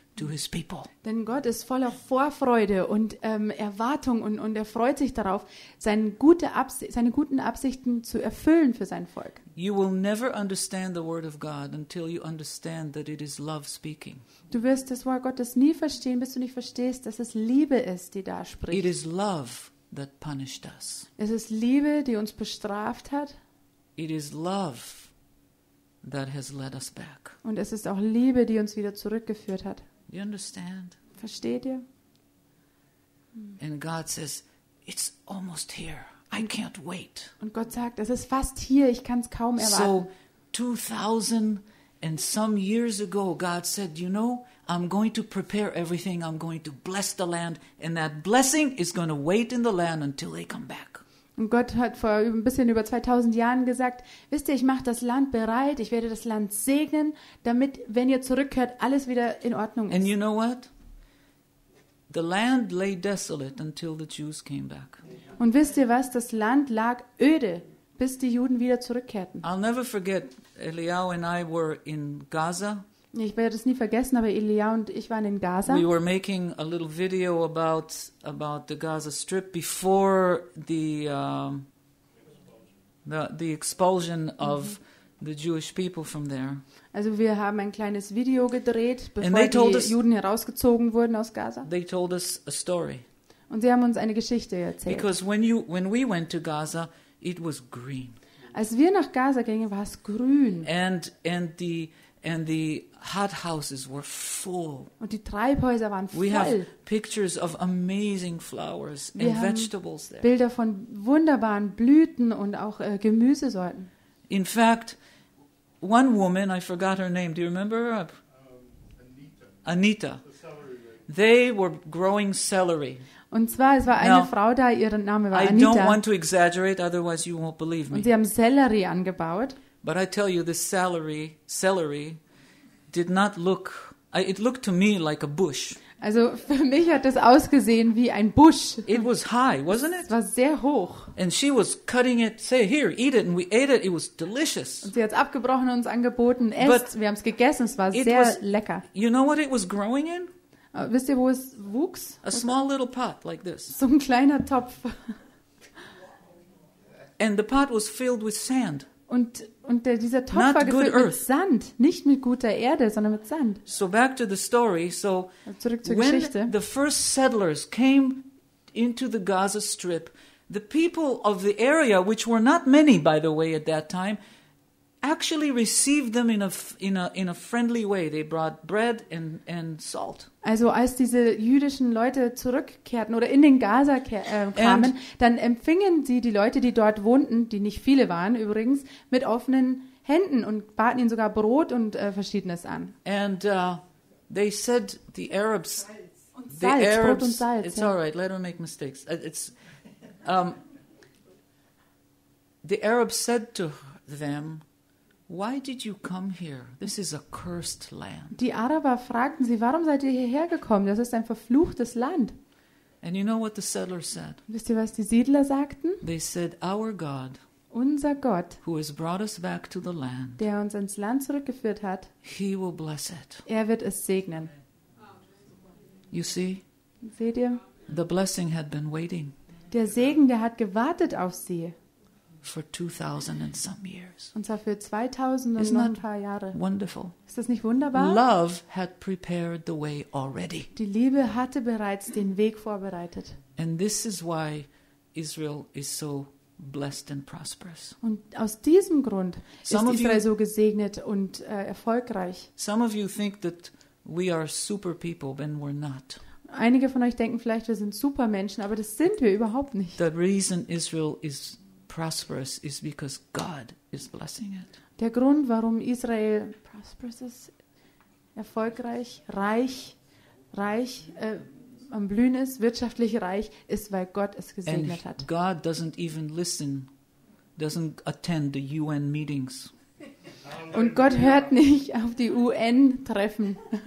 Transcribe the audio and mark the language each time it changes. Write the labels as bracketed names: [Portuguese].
[English] To his people. [German] Denn Gott ist voller Vorfreude und Erwartung und er freut sich darauf, seine guten Absichten zu erfüllen für sein Volk. [English] You will never understand the word of God until you understand that it is love speaking. [German] Du wirst das Wort Gottes nie verstehen, bis du nicht verstehst, dass es Liebe ist, die da spricht. [English] It is love that punished us. [German] Es ist Liebe, die uns bestraft hat. [English] It is love that has led us back. [German] Und es ist auch Liebe, die uns wieder zurückgeführt hat. [English] You understand? [German] Versteht ihr? [English] And God says, it's almost here. I can't wait. [German] Und Gott sagt, es ist fast hier, ich kann es kaum erwarten. [English] So 2000 and some years ago, God said, you know, I'm going to prepare everything. I'm going to bless the land. And that blessing is going to wait in the land until they come back. [German] Und Gott hat vor ein bisschen über 2000 Jahren gesagt, wisst ihr, ich mache das Land bereit, ich werde das Land segnen, damit, wenn ihr zurückkehrt, alles wieder in Ordnung ist. [English] And you know what? The land lay desolate until the Jews came back. [German] Und wisst ihr was? Das Land lag öde, bis die Juden wieder zurückkehrten. [English] I'll never forget, Eliyahu and I were in Gaza. [German] Ich werde es nie vergessen, aber Eliyahu und ich waren in Gaza. [English] We were making a little video about the Gaza Strip before the expulsion of the Jewish people from there. [German] Also wir haben ein kleines Video gedreht, bevor die Juden herausgezogen wurden aus Gaza. [English] They told us a story. [German] Und sie haben uns eine Geschichte erzählt. [English] Because when we went to Gaza, it was green. [German] Als wir nach Gaza gingen, war es grün. [English] And the hot houses were full. [German] Und die Treibhäuser waren voll. [English] We have pictures of amazing flowers and vegetables there. [German] Bilder von wunderbaren Blüten und auch Gemüsesorten. [English] In fact, one woman, I forgot her name. Do you remember her? Anita. The celery. They were growing celery. [German] Und zwar, es war eine Frau da, ihr Name war Anita. [English] I don't want to exaggerate, otherwise you won't believe me. [German] Und sie haben Sellerie angebaut. [English] But I tell you, this celery did not look, it looked to me like a bush. [German] Also für mich hat das ausgesehen wie ein Busch. [English] It was high, wasn't it? [German] Es war sehr hoch. [English] And she was cutting it, say, here, eat it. And we ate it, it was delicious. [German] Und sie hat es abgebrochen und uns angeboten, esst, wir haben es gegessen, es war sehr lecker. [English] You know what it was growing in? [German] Wisst ihr, wo es wuchs? [English] A small little pot like this. [German] So ein kleiner Topf. [English] And the pot was filled with sand. [German] Und dieser Topf war gefüllt mit Sand, nicht mit guter Erde, sondern mit Sand. [English] So back to the story. So [German] zurück zur Geschichte. [English] When the first settlers came into the Gaza Strip, the people of the area, which were not many, by the way, at that time, actually received them in a friendly way. They brought bread and salt. [German] Also als diese jüdischen Leute zurückkehrten oder in den Gaza kamen, dann empfingen sie die Leute, die dort wohnten, die nicht viele waren übrigens, mit offenen Händen und baten ihnen sogar Brot und Verschiedenes an. [English] And they said the Arabs, [German] Salz. The Salz, Arabs, Brot und Salz. [English] It's all right. Let them make mistakes. It's the Arabs said to them, why did you come here? This is a cursed land. [German] Die Araber fragten sie, warum seid ihr hierher gekommen? Das ist ein verfluchtes Land. [English] And you know what the settlers said? [German] Wisst ihr, was die Siedler sagten? [English] They said, our God, [German] unser Gott, [English] who has brought us back to the land, [German] der uns ins Land zurückgeführt hat, [English] he will bless it. [German] Er wird es segnen. [English] You see? [German] Seht ihr? [English] The blessing had been waiting. [German] Der Segen, der hat gewartet auf sie. [English] For 2000 and some years. [German] Und zwar für 2000 und noch ein paar Jahre. [English] Wonderful. [German] Ist das nicht wunderbar? [English] Love had prepared the way already. [German] Die Liebe hatte bereits den Weg vorbereitet. [English] And this is why Israel is so blessed and prosperous. [German] Und aus diesem Grund ist Israel so gesegnet und erfolgreich. [English] Some of you think that we are super people, but we're not. [German] Einige von euch denken vielleicht, wir sind Supermenschen, aber das sind wir überhaupt nicht. [English] The reason Israel is prosperous is because God is blessing it. [German] Der Grund, warum Israel prosperous ist, erfolgreich, reich, am Blühen ist, wirtschaftlich reich, ist, weil Gott es gesegnet [English] and [German] hat. [English] God doesn't even listen, doesn't attend the UN meetings. [German] Und Gott hört nicht auf die UN-Treffen.